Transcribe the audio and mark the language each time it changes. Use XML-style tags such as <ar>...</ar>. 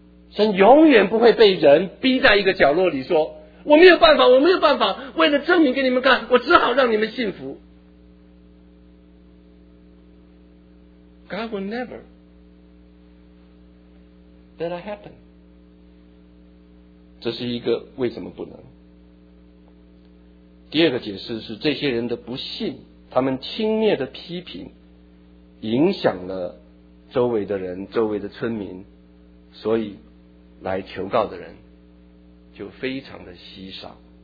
<zh>神永远不会被人逼在一个角落里说，我没有办法，我没有办法，为了证明给你们看，我只好让你们信服。</zh> <en>God will never let that happen.</en> <zh>这是一个为什么不能。第二个解释是，这些人的不信，他们轻蔑的批评影响了周围的人，周围的村民，所以来求告的人就非常的稀少。</zh>